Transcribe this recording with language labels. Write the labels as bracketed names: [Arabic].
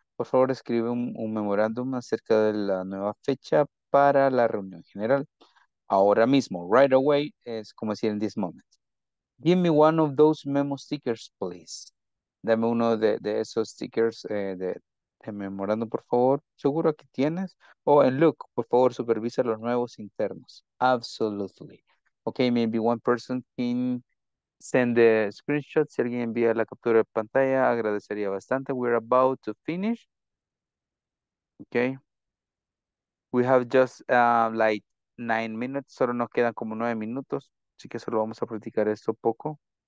[Spanish] Por favor, escribe un memorándum acerca de la nueva fecha para la reunión general. Ahora mismo, [English] right away, [Spanish] es como decir, [English] in this moment. Give me one of those memo stickers, please. [Spanish] Dame uno de esos stickers de memorándum, por favor. ¿Seguro que tienes? [English] Oh, and look, [Spanish] por favor, supervisa los nuevos internos. [English] Absolutely. Okay, maybe one person can send the screenshot. [Spanish] Si alguien envía la captura de pantalla, agradecería bastante. [English] We're about to finish. Okay. We have just like 9 minutes. [Spanish] Solo nos quedan como 9 minutos. Así que solo vamos a practicar esto poco.